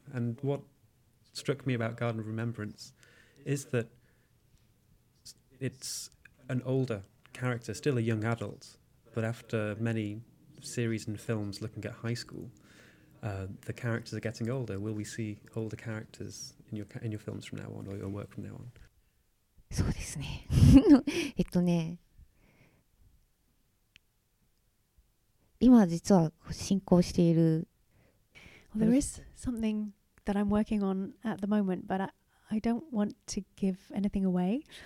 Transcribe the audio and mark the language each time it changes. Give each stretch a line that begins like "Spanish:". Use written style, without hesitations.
English: And what struck me about Garden of Remembrance is that it's an older character, still a young adult, but after many series and films looking at high school, the characters are getting older. Will we see older characters in your films from now on, or your work from now on?
Japanese: そうですね。ね、今実は進行している。
English: Well, there is something that I'm working on at the moment, but I don't want to give anything away.